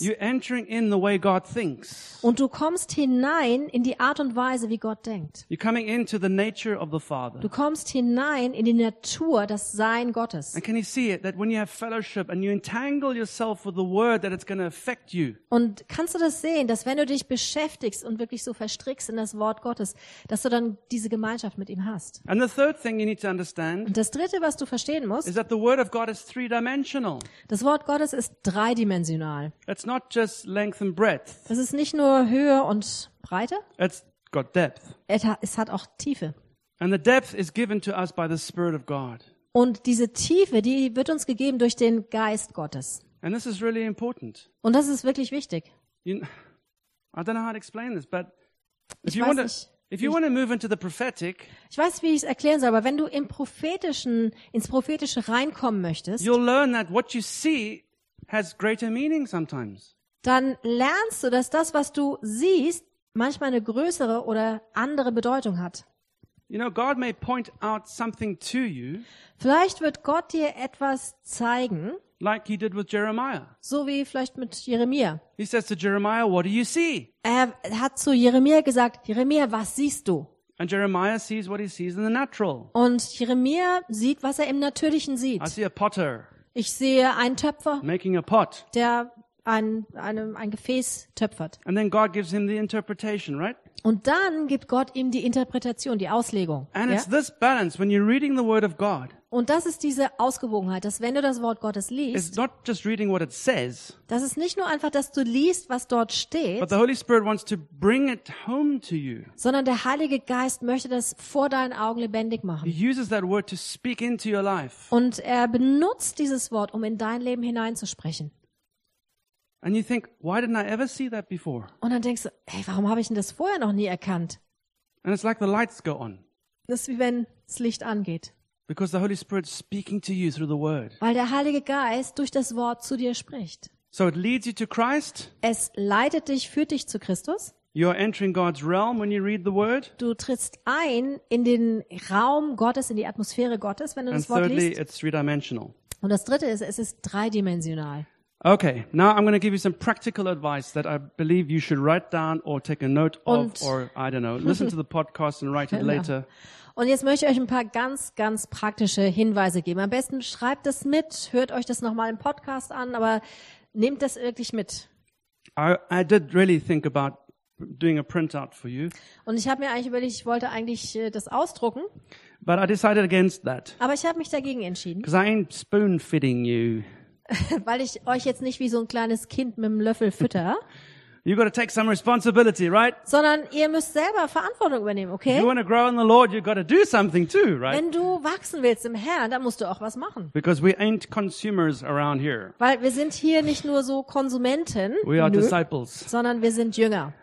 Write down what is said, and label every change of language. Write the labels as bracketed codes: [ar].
[en] You're entering in the way God thinks. [de] Und du kommst hinein in die Art und Weise, wie Gott denkt. [en] You're coming into the nature of the Father. [de] Du kommst hinein in die Natur, das Sein Gottes. [en] And can you see it that when you have fellowship and you entangle yourself with the word that it's going to affect you? [de] Und kannst du das sehen, dass wenn du dich beschäftigst und wirklich so verstrickst in das Wort Gottes, dass du dann diese Gemeinschaft mit ihm hast? [en] And the third thing you need to understand. [de] Und das Dritte, was du verstehen musst, [en] is that the word of God is three-dimensional. [de] Das Wort Gottes ist dreidimensional. [en] It's not just length and breadth. [de] Es ist nicht nur Höhe und Breite. [en] It's got depth. [de] Es hat auch Tiefe. [en] And the depth is given to us by the Spirit of God. [de] Und diese Tiefe, die wird uns gegeben durch den Geist Gottes. [en] And this is really important. [de] Und das ist wirklich wichtig. [en] I don't know how to explain this, but if you want to. If you want to move into the prophetic, [de] ich weiß, wie ich es erklären soll, aber wenn du im prophetischen ins prophetische reinkommen möchtest, [en] you'll learn that what you see has greater meaning sometimes. [de] Dann lernst du, dass das, was du siehst, manchmal eine größere oder andere Bedeutung hat. [en] You know, God may point out something to you. [de] Vielleicht wird Gott dir etwas zeigen. [en] Like he did with Jeremiah. [de] So wie vielleicht mit Jeremia. [en] He says to Jeremiah, "What do you see?" [de] Er hat zu Jeremia gesagt, Jeremia, was siehst du? [en] And Jeremiah sees what he sees in the natural. [de] Und Jeremia sieht, was er im Natürlichen sieht. [en] I see a potter. [de] Ich sehe einen Töpfer. [en] Making a pot. [de] Der ein Gefäß töpfert. [en] And then God gives him the interpretation, right? [de] Und dann gibt Gott ihm die Interpretation, die Auslegung. [en] And [de] ja? [en] It's this balance when you're reading the word of God. [de] Und das ist diese Ausgewogenheit, dass wenn du das Wort Gottes liest, [en] it's not just reading what it says, [de] das ist nicht nur einfach, dass du liest, was dort steht, [en] but the Holy Spirit wants to bring it home to you. [de] Sondern der Heilige Geist möchte das vor deinen Augen lebendig machen. [en] He uses that word to speak into your life. [de] Und er benutzt dieses Wort, um in dein Leben hineinzusprechen. [en] And you think, why didn't I ever see that before? [de] Und dann denkst du, hey, warum habe ich denn das vorher noch nie erkannt? [en] And it's like the lights go on. [de] Das ist wie wenn das Licht angeht. [en] Because the Holy Spirit is speaking to you through the word. [de] Weil der Heilige Geist durch das Wort zu dir spricht. [en] So it leads you to Christ. [de] Es leitet dich, führt dich zu Christus. [en] You are entering God's realm when you read the word. [de] Du trittst ein in den Raum Gottes, in die Atmosphäre Gottes, wenn du [en] And [de] das Wort [en] thirdly, [de] liest. [en] It's three-dimensional. [de] Und das Dritte ist, es ist dreidimensional. [en] Okay, now I'm going to give you some practical advice that I believe you should write down or take a note of, or I don't know, listen to the podcast and write it later. [de] Und jetzt möchte ich euch ein paar ganz, ganz praktische Hinweise geben. Am besten schreibt es mit, hört euch das nochmal im Podcast an, aber nehmt das wirklich mit. [en] I did really think about doing a printout for you. [de] Und ich habe mir eigentlich überlegt, ich wollte eigentlich das ausdrucken. [en] But I decided against that. [de] Aber ich habe mich dagegen entschieden. [en] Because I ain't spoon-fitting you. [de] Weil ich euch jetzt nicht wie so ein kleines Kind mit dem Löffel fütter. [en] You got to take some responsibility, right? [de] Sondern ihr müsst selber Verantwortung übernehmen, okay? [en] You want to grow in the Lord, you got to do something too, right? [de] Wenn du wachsen willst im Herrn, dann musst du auch was machen. [en] Because we ain't consumers around here. [de] Weil wir sind hier nicht nur so Konsumenten, [en] we are disciples. [de] Sondern wir sind Jünger.